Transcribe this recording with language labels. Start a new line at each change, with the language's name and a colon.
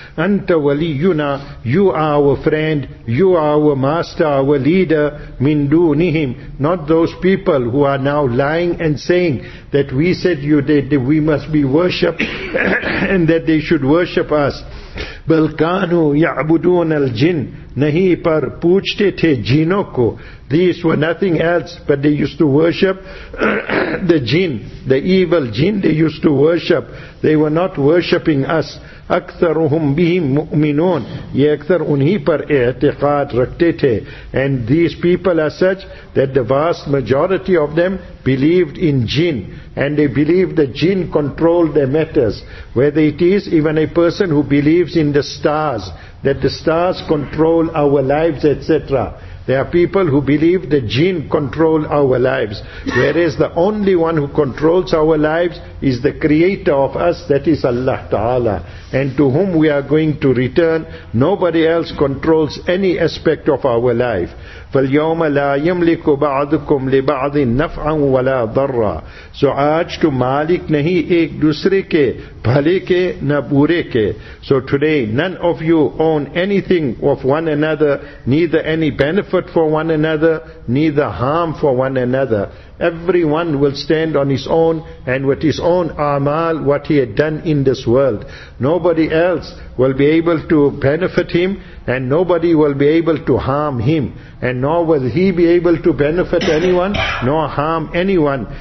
Arabic: Anta waliyuna,
English: you are our friend, you are our master, our leader,
Arabic: min dunihim,
English: not those people who are now lying and saying that we said you that we must be worshipped and that they should worship us.
Arabic: بَلْ كَانُوا يَعْبُدُونَ الْجِنِ,
Urdu: نَحِي پَرْ پُوچھتے تھے جِنوں کو,
English: these were nothing else but they used to worship the jinn, the evil jinn they used to worship, they were not worshipping us.
Arabic: أَكْثَرُهُمْ بِهِمْ مُؤْمِنُونَ,
Urdu: یہ اکثر انہی پر اعتقاد رکھتے تھے.
English: And these people are such that the vast majority of them believed in jinn, and they believed the jinn controlled their matters, whether it is even a person who believes in the stars, that the stars control our lives, etc. There are people who believe the jinn control our lives, whereas the only one who controls our lives is the creator of us, that is Allah Ta'ala, and to whom we are going to return. Nobody else controls any aspect of our life.
Arabic: فَالْيَوْمَ لَا يَمْلِكُ بَعْضُكُمْ لِبَعْضٍ نَفْعًا وَلَا ضَرًّا,
Urdu: سو آج تو مالک نہیں ایک دوسرے کے بھلے کے نہ بورے کے.
English: So today none of you own anything of one another, neither any benefit for one another, neither harm for one another. Everyone will stand on his own and with his own amal, what he had done in this world. Nobody else will be able to benefit him, and nobody will be able to harm him, and nor will he be able to benefit anyone nor harm anyone.